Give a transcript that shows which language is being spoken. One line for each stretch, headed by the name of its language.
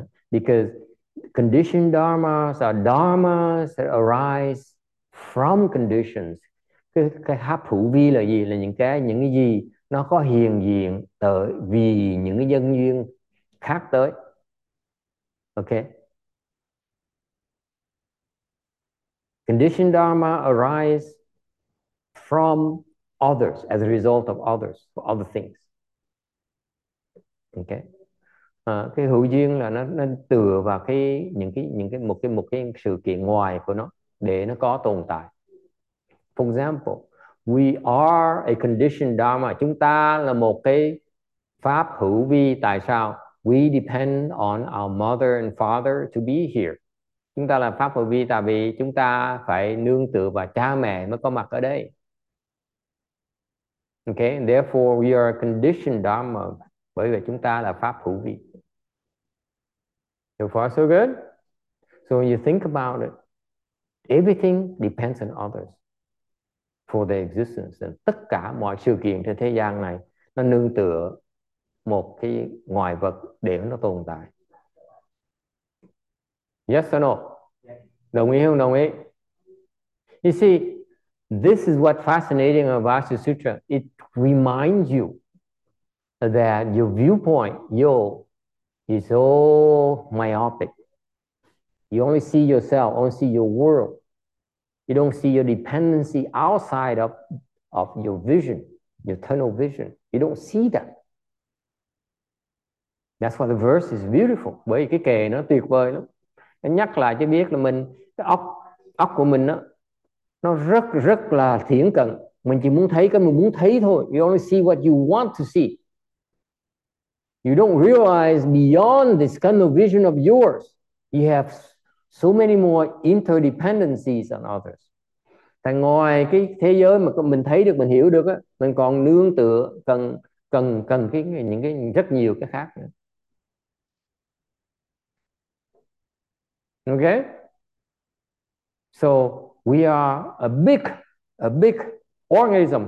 English: Because conditioned dharmas are dharmas that arise from conditions.
Vietnamese: Cái pháp hữu vi là gì? Là những cái gì nó có hiện diện tới vì những cái nhân duyên khác tới. Okay.
English: Conditioned dharma arise from others, as a result of others, for other things. Okay.
Vietnamese: Cái hữu duyên là nó tựa vào những cái sự kiện ngoài của nó để nó có tồn tại.
English: For example, we are a conditioned dharma.
Vietnamese: Chúng ta là một cái pháp hữu vi. Tại sao?
English: We depend on our mother and father to be here.
Vietnamese: Chúng ta là pháp hữu vi tại vì chúng ta phải nương tựa vào cha mẹ mới có mặt ở đây.
English: Okay, and therefore we are a conditioned dharma.
Vietnamese: Bởi vì chúng ta là pháp hữu vi.
English: So far so good. So when you think about it, everything depends on others for their existence.
Vietnamese: And tất cả mọi sự kiện trên thế gian này nó nương tựa một cái ngoại vật để nó tồn tại.
English: Yes or no?
Vietnamese: Đồng ý không? Đồng ý.
English: You see, this is what fascinating about the sutra. It reminds you that your viewpoint, is so myopic. You only see yourself, only see your world. You don't see your dependency outside of your vision, your tunnel vision. You don't see that. That's why the verse is beautiful.
Vietnamese: Bởi cái kệ nó tuyệt vời lắm. Nó nhắc lại cho biết là mình, cái óc của mình đó, nó rất rất là thiển cận. Mình chỉ muốn thấy cái mình muốn thấy thôi.
English: You only see what you want to see. You don't realize beyond this kind of vision of yours, you have so many more interdependencies on others.
Vietnamese: Tại ngoài cái thế giới mà mình thấy được, mình hiểu được á, mình còn nương tựa cần cái những cái rất nhiều cái khác nữa.
English: Okay? So we are a big organism.